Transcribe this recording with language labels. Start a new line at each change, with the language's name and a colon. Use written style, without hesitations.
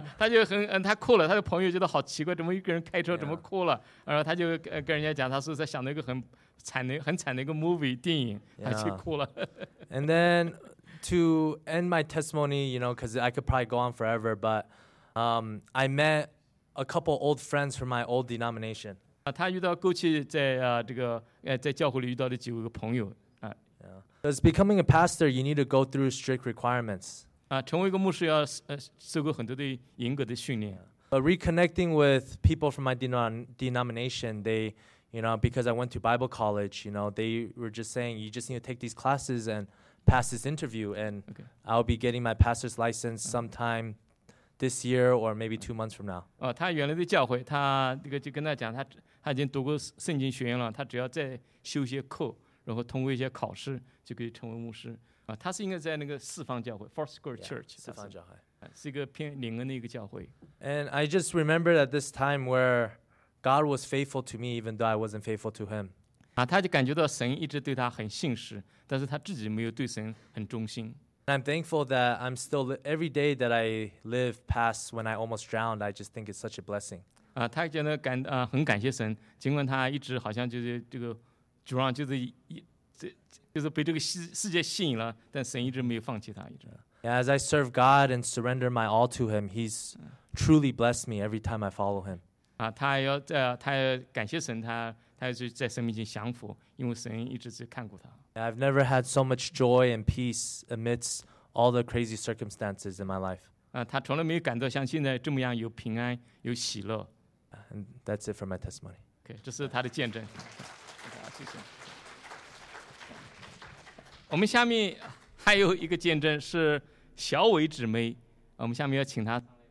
Chinese: 他就很他哭了，他的朋友觉得好奇怪，怎么一个人开车怎么哭了？然后他就跟人家讲，他是在想那个很惨的一个 movie 电影，他就哭了。
English: And then to end my testimony, you know, because I could probably go on forever, but I met a couple old friends from my old denomination.
Chinese: 他遇到过去在这个在教会里遇到的几个朋友啊。
English: Because becoming a pastor, you need to go through strict requirements.
Chinese: 成为一个牧师要受过很多的严格的训练。
English: But reconnecting with people from my denomination, they, you know, because I went to Bible college, you know, they were just saying, you just need to take these classes and pass this interview, and okay. I'll be getting my pastor's license sometime this year or maybe 2 months from now.
Chinese: 他原来的教会，他这个就跟他讲，他已经读过圣经学院了，他只要再修一些课，然后通过一些考试，就可以成为牧师。他是应该在那个四方教会 Fourth Square Church 四方教会是一个偏灵恩的一个教会
English: And I just remembered at this time where God was faithful to me even though I wasn't faithful to him
Chinese: 他就感觉到神一直对他很信实但是他自己没有对神很忠心
English: And I'm thankful that I'm still every day that I live past when I almost drowned I just think it's such a blessing
Chinese: 他觉得很感谢神尽管他一直好像就是这个 drown 就是就是被这个世界吸引了，但神一直没有放弃他。一直。
English: Yeah, as I serve God and surrender my all to Him, He's truly blessed me every time I follow Him.
Chinese: 他要感谢神，他就在神面前降服，因为神一直在看顾他。
English: I've never had so much joy and peace amidst all the crazy circumstances in my life.
Chinese: 他从来没有感到像现在这么样有平安、有喜乐。
English: And that's it for my testimony.
Chinese: Okay, 这是他的见证。谢谢。我们下面还有一个见证是小伟姊妹，我们下面要请她。